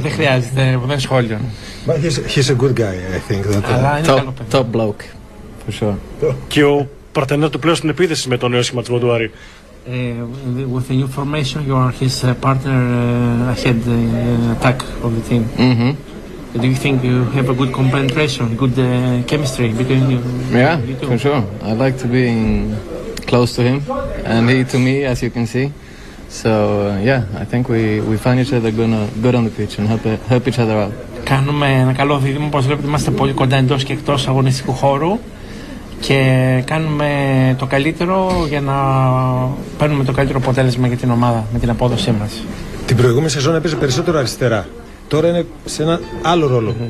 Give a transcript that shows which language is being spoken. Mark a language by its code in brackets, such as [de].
[el] Δεν χρειάζεται, δεν σχόλιο. [en] He's a good guy, I think. Top bloke, for sure. [el] Και ο παρτενέρ του πλέον στην επίθεση με τον νέο σχηματισμό του Άρη. [en] With the new formation, you are his partner ahead attack of the team. Mm-hmm. Do you think you have a good compenetration, good chemistry between you? Yeah, you for sure. I like to be close to him, and he to me, as you can see. So yeah, I think we find each other good on the pitch and help each other out. [el] Κάνουμε ένα καλό δίδυμο, όπως βλέπετε, είμαστε πολύ κοντά εντός και εκτός αγωνιστικού χώρου. Και κάνουμε το καλύτερο για να παίρνουμε το καλύτερο αποτέλεσμα για την ομάδα με την απόδοσή μας. Την προηγούμενη σεζόν έπαιζε περισσότερο αριστερά. Τώρα είναι σε ένα άλλο ρόλο. Mm-hmm.